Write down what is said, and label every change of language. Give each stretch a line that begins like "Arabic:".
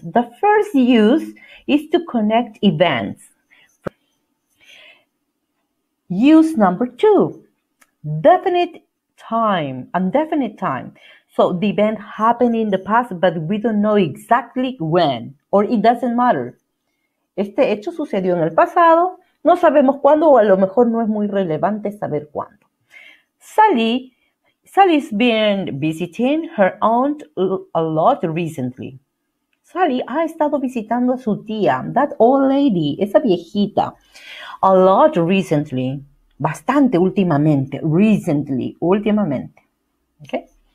English: The first use is to connect events. Use number 2, definite time, indefinite time. So the event happened in the past, but we don't know exactly when, or it doesn't matter.
Spanish: Este hecho sucedió en el pasado, no sabemos cuándo, o a lo mejor no es muy relevante saber cuándo.
English: Sally's been visiting her aunt a lot recently.
Spanish: Sally ha estado visitando a su tía,
English: that old lady,
Spanish: esa viejita,
English: a lot recently.
Spanish: Bastante últimamente, recently, últimamente, okay?